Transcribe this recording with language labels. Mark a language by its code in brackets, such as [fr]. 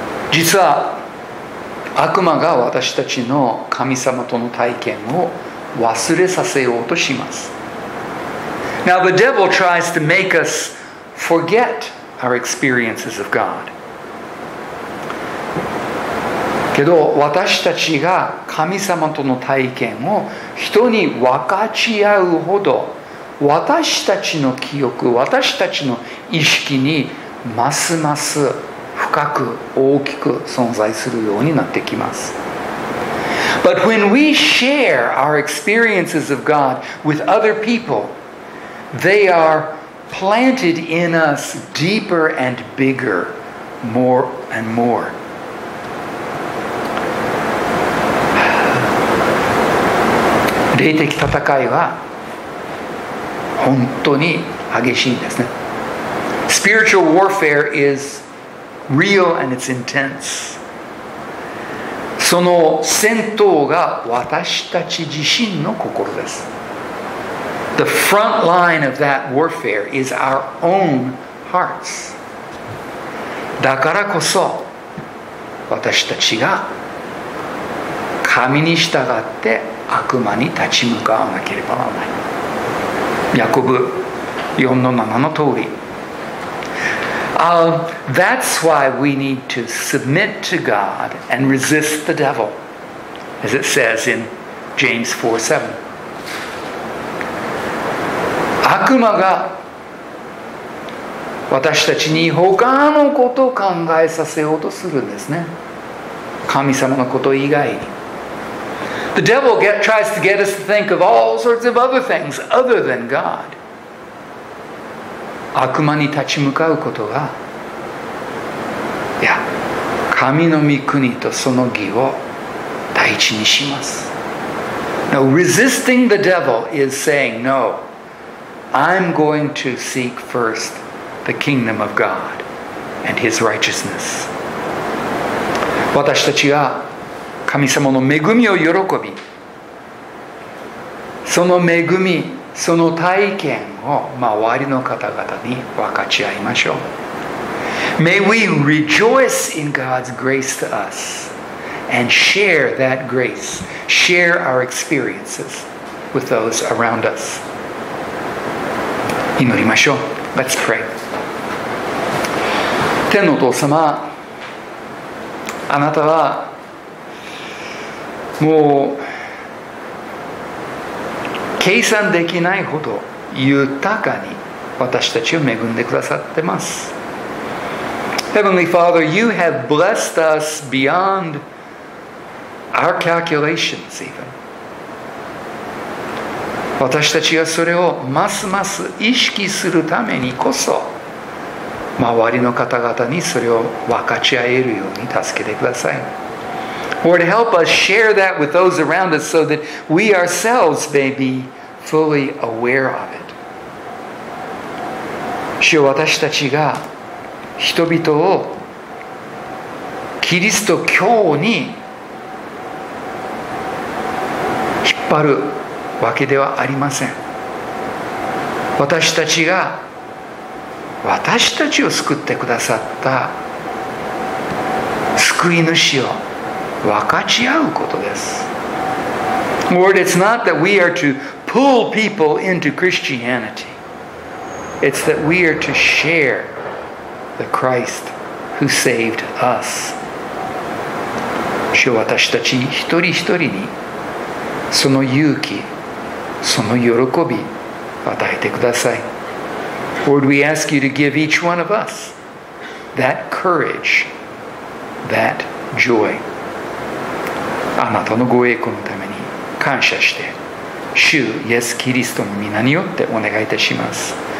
[ja] 実は悪魔が私たちの神様との体験を忘れさせようとします。 [en] Now the devil tries to make us forget our experiences of God. [ja] けど私たちが神様との体験を人に分かち合うほど私たちの記憶、私たちの意識にますます深く大きく存在するようになってきます。 [en] But when we share our experiences of God with other people, they are planted in us deeper and bigger, more and more. [ja] 霊的戦いは本当に激しいんですね。 [en] Spiritual warfare isreal and it's intense. [ja] その戦闘が私たち自身の心です。 [en] The front line of that warfare is our own hearts. [ja] だからこそ私たちが神に従って悪魔に立ち向かわなければならない。ヤコブ 4-7 の通り、 [en] That's why we need to submit to God and resist the devil, as it says in James 4:7. [ja] 悪魔が私たちに他のことを考えさせようとするんですね。神様のこと以外に。 [en] The devil tries to get us to think of all sorts of other things other than God. [ja] 悪魔に立ち向かうことが、いや、神の御国とその義を第一にします。 [en] Now, resisting the devil is saying, no, I'm going to seek first the kingdom of God and his righteousness. [ja] 私たちは神様の恵みを喜び、その恵み、その体験を周りの方々に分かち合いましょう。 [en] May we rejoice in God's grace to us and share that grace, share our experiences with those around us. [ja] 祈りましょう。 [en] Let's pray. [ja] 天のお父様、あなたはもう計算できないほど豊かに私たちを恵んでくださってます。 [en] Heavenly Father, you have blessed us beyond our calculations even. [ja] 私たちはそれをますます意識するためにこそ、周りの方々にそれを分かち合えるように助けてください。 [en] Lord, help us share that with those around us so that we ourselves may beFully aware of it. [ja] 主よ、私たちが人々をキリスト教に引っ張るわけではありません。私たちが私たちを救ってくださった救い主を分かち合うことです。 [en] Lord, it's not that we are to pull people into Christianity. It's that we are to share the Christ who saved us. [ja] 主は私たち一人一人にその勇気、その喜び与えてください。 [en] Lord, we ask you to give each one of us that courage, that joy. [ja] あなたのご栄光のために感謝して、主イエス・キリストの皆によってお願いいたします。